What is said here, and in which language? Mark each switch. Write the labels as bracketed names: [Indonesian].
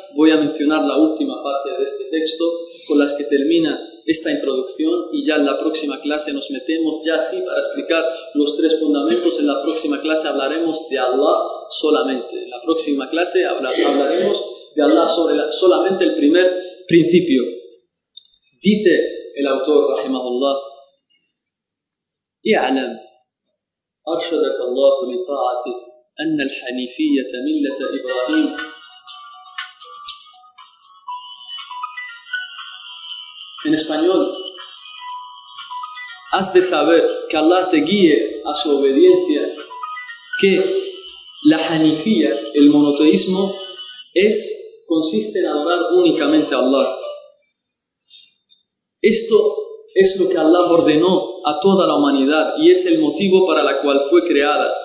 [Spanish] Voy a mencionar la última parte de este texto con las que termina esta introducción, y ya en la próxima clase nos metemos ya así para explicar los 3 fundamentos. En la próxima clase hablaremos de Allah solamente. En la próxima clase hablaremos de Allah sobre solamente el primer principio. Dice el autor, rahimahullah, [Arabic] اعلم أرشدك الله لطاعته أن الحنيفية ملة إبراهيم [Spanish] en español. Has de saber que Allah te guíe a su obediencia, que la hanifía, el monoteísmo, consiste en adorar únicamente a Allah. Esto es lo que Allah ordenó a toda la humanidad y es el motivo para la cual fue creada.